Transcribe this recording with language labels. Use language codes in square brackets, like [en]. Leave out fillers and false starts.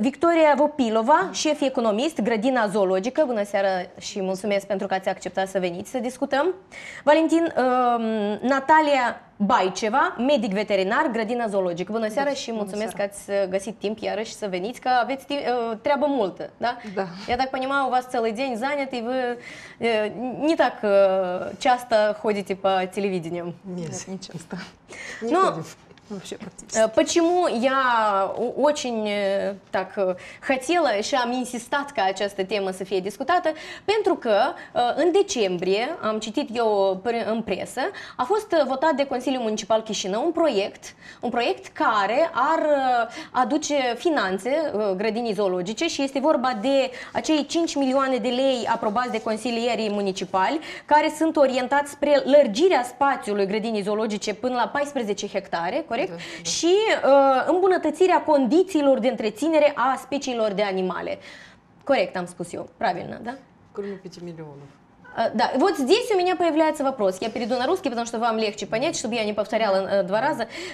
[ro] Victoria Vopilova, șef economist, grădina zoologică. Bună seara și mulțumesc pentru că ați acceptat să veniți să discutăm. Valentin, Natalia Baiceva, medic veterinar, grădina zoologică. Bună seara și mulțumesc că ați găsit timp iarăși să veniți, că aveți treabă multă, da? Da. [ru] Я так понимаю, у вас целый день занят, и вы не так часто ходите по телевидению. Нет, не часто. Но почему я очень так хотела [ro] și am insistat ca această temă să fie discutată? Pentru că în decembrie, am citit eu în presă, a fost votat de Consiliul Municipal Chișinău un proiect care ar aduce finanțe grădinii zoologice și este vorba de acei 5 milioane de lei aprobați de consilierii municipali care sunt orientați spre lărgirea spațiului grădinii zoologice până la 14 hectare, corect? Și îmbunătățirea condițiilor de întreținere a speciilor de animale. Corect, am spus eu. [ru] Правильно, да? Кроме 5 миллионов. Да, вот здесь у меня появляется вопрос. Я перейду на русский, потому что вам легче понять, чтобы я не повторяла два раза.